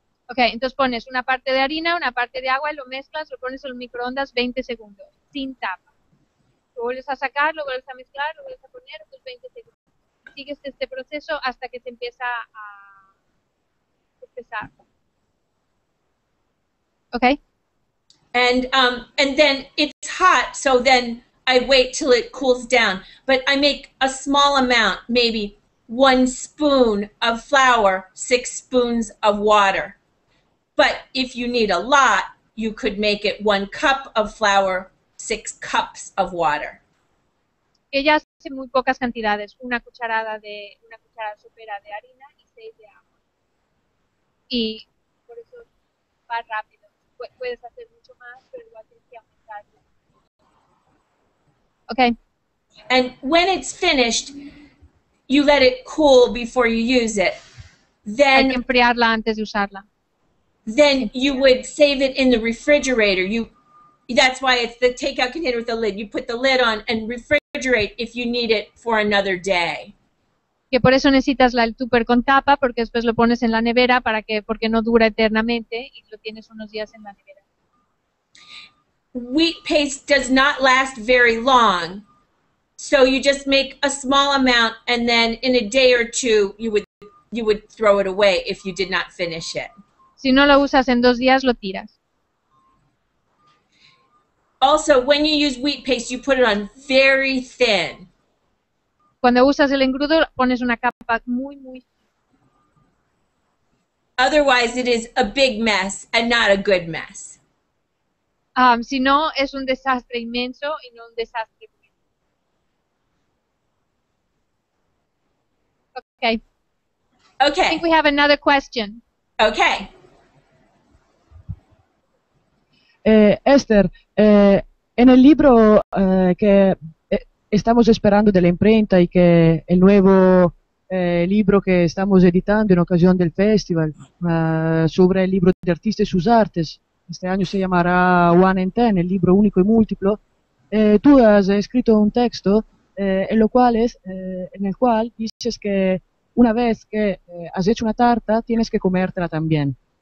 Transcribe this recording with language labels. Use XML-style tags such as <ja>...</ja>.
<es>Okay, entonces pones una parte de harina, una parte de agua, y lo mezclas, lo pones en el microondas 20 segundos. sin tapa. Lo vuelves a sacar, lo vuelves a mezclar, lo vuelves a poner, otros 20 segundos. Sigues este proceso hasta que se empieza a espesar. Okay.</es> <en>And then it's hot, so then I wait till it cools down. But I make a small amount, maybe 1 spoon of flour, 6 spoons of water. But if you need a lot, you could make it 1 cup of flour, 6 cups of water.</en> <es>Ella hace muy pocas cantidades, una cucharada sopera de harina y 6 de agua. Y por eso va rápido. Puedes hacer mucho más, pero igual tienes que aumentarlo. Okay.</es> <en>And when it's finished, you let it cool before you use it. Then</en> <es>hay que enfriarla antes de usarla.</es> <en>Then you would save it in the refrigerator. That's why it's the takeout container with the lid. You put the lid on and refrigerate if you need it for another day.</en> <es>Que por eso necesitas el tupper con tapa, porque después lo pones en la nevera porque no dura eternamente y lo tienes unos días en la nevera.</es> <en>Wheat paste does not last very long, so you just make a small amount and then in a day or two you would throw it away if you did not finish it.</en> <es>Si no lo usas en 2 días, lo tiras.</es> <en>Also, when you use wheat paste, you put it on very thin.</en> <es>Cuando usas el engrudo, pones una capa muy, muy fina.</es> <en>Otherwise, it is a big mess and not a good mess.</en> <es>Si no, es un desastre inmenso y no un desastre bueno. Okay. Okay.</es> <en>I think we have another question. Okay.</en> <es>Esther, en el libro que estamos esperando de la imprenta y que el nuevo libro que estamos editando en ocasión del festival sobre el libro de artistas y sus artes, este año se llamará One in Ten, el libro único y múltiplo, tú has escrito un texto en el cual dices que una vez que has hecho una tarta tienes que comértela también.</es>